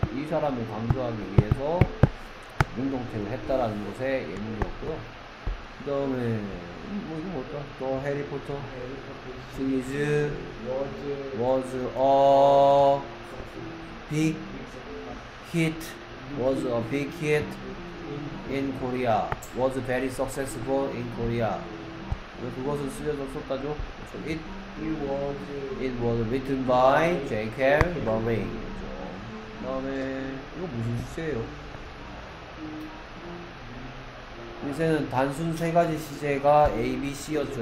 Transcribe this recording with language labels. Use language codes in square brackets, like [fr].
[ko] 이 사람을 강조하기 위해서 능동태로 했다라는 것의 예문이었고요. 그 다음에 뭐 이거 뭐였다? [en] The Harry Potter series was a big hit in Korea. Was very successful in Korea. [ko] 왜 그것은 쓰여져 썼다죠? [en] It was written by J.K. Rowling. [ko] 그다음에 이거 무슨 시제예요? 이제는 단순 세 가지 시제가 ABC였죠.